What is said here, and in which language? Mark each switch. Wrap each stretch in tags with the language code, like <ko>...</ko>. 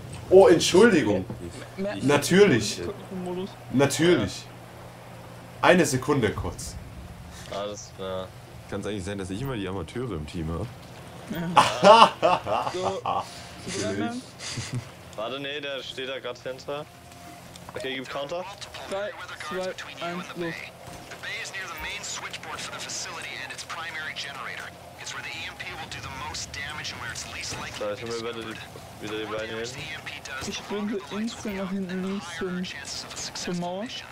<de>Oh, Entschuldigung. Natürlich. Natürlich. Eine Sekunde kurz. Alles klar. Kann es eigentlich sein, dass ich immer die Amateure im Team habe? Ja. So. Warte, nee, der steht da gerade hinter. Okay, gib Counter. 3, 2, 1, los.</de> <en>The bay is near the main switchboard for the facility and its primary generator. It's where the EMP will do the most damage and where it's least likely to be discovered.</en> <de>Wieder die Beine hin. Ich springe instant nach hinten links zum Mauer.</de>